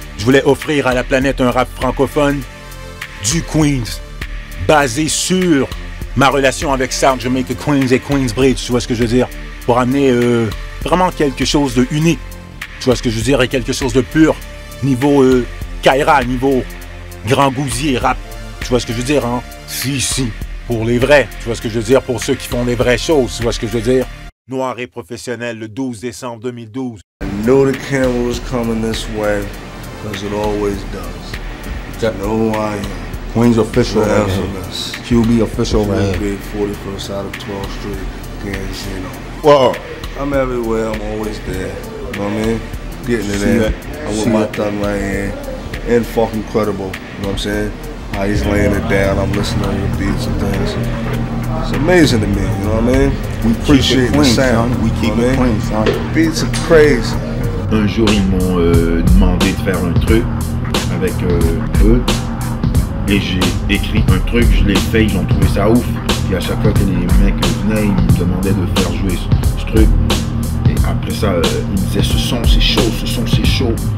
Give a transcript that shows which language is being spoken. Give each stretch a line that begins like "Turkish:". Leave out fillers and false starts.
French: Je voulais offrir à la planète un rap francophone du Queens, basé sur ma relation avec South Jamaica Queens et Queensbridge, tu vois ce que je veux dire, pour amener vraiment quelque chose de unique, tu vois ce que je veux dire, et quelque chose de pur, niveau Kaira, niveau Grand Gousier, rap, tu vois ce que je veux dire, hein? Si, pour les vrais, tu vois ce que je veux dire, pour ceux qui font les vraies choses, tu vois ce que je veux dire. Noir et professionnel, le 12 décembre 2012.
English: I know the camera was coming this way, because it always does. I know who I am. Queens official, QB official, man. Big 41st out of 12th Street, Gans, you know. Well, I'm everywhere, I'm always there, you know what I mean? Getting it in, I'm with my thumb right here, and fucking credible, you know what I'm saying? How he's laying it down, I'm listening to the beats and things. It's amazing to me, you know what I mean? We appreciate the sound, we keep it clean, son. Beats are crazy.
French: Un jour, ils m'ont demandé de faire un truc avec eux. Et j'ai écrit un truc, je l'ai fait, ils ont trouvé ça ouf. Et à chaque fois que les mecs venaient, ils me demandaient de faire jouer ce truc. Et après ça, ils me disaient ce son c'est chaud, ce son c'est chaud.